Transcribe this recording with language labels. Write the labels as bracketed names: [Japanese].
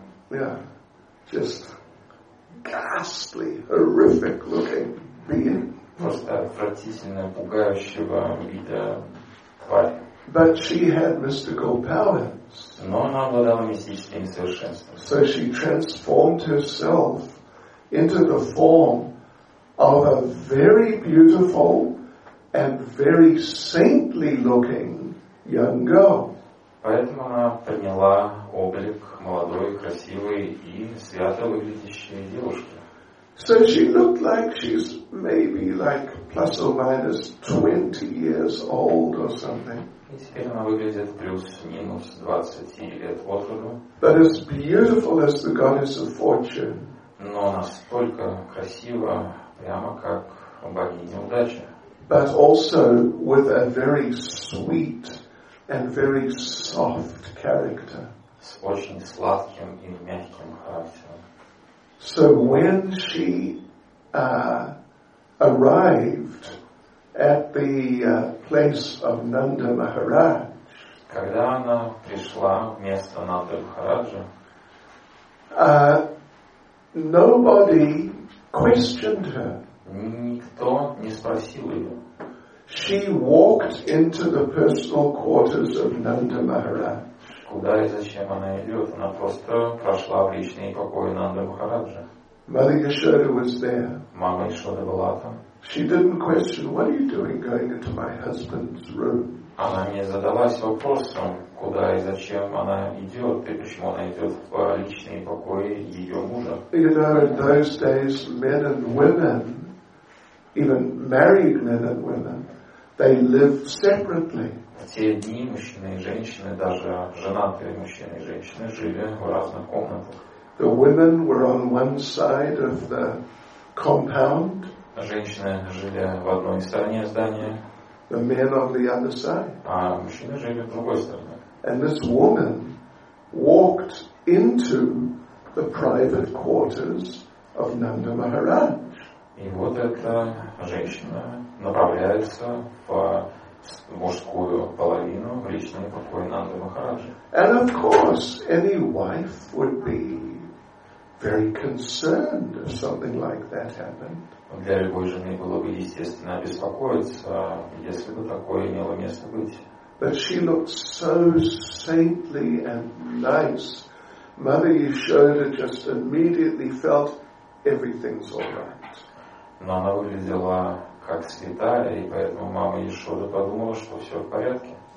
[English] Yeah. Just ghastly, horrific looking being. [Russian] Просто отвратительная, пугающего вида тварь. [English] But she had mystical powers. [Russian] Но она обладала мистическими совершенствами. [English] So she transformed herself into the form of a very beautiful and very saintly looking young girl. [Russian] Поэтому она приняла облик молодой, красивой и свято выглядящей девушки. [English] So she looked like she's maybe like plus or minus 20 years old or something. [Russian] И теперь она выглядит плюс-минус 20 лет от роду. [English] But as beautiful as the goddess of fortune. [Russian] Но настолько красива, прямо как богиня удачи. [English] But also with a very sweet and very soft character. [Russian] С очень сладким и мягким характером. [English] So when she arrived at the place of Nanda Maharaj, [Russian] когда она пришла в место Нанды Махараджа, [English] nobody questioned her. [Russian] Никто не спросил ее. [English] She walked into the personal quarters of Nanda Maharaj. [Russian] Куда и зачем она идет? Она просто прошла в личные покои Нанды Махараджа. [English] Mother Yashoda was there. [Russian] Мама Яшода была там. [English] She didn't question, what are you doing going into my husband's room? [Russian] Она не задалась вопросом, куда и зачем она идет, и почему она идет в личные покои ее мужа. [English] You know, in those days, men and women, even married men and women, they lived separately. [Russian] В те дни мужчины и женщины, даже женатые мужчины и женщины, жили в разных комнатах. [English] The women were on one side of the compound. [Russian] Женщины жили в одной стороне здания. [English] The men on the other side. [Russian] А мужчины жили в другой стороне. [English] And this woman walked into the private quarters of Nanda Maharaj. [Russian] И вот эта женщина направляется в мужскую половину, в личный покой Нанды Махараджи. [English] And of course, any wife would be very concerned if something like that happened. [Russian] Для любой жены было бы естественно обеспокоиться, если бы такое имело место быть. [English] But she looked so saintly and nice. Mother Yashoda just immediately felt everything's all right. [Russian] Но она выглядела как святая, и поэтому мама Яшода подумала, что все в порядке.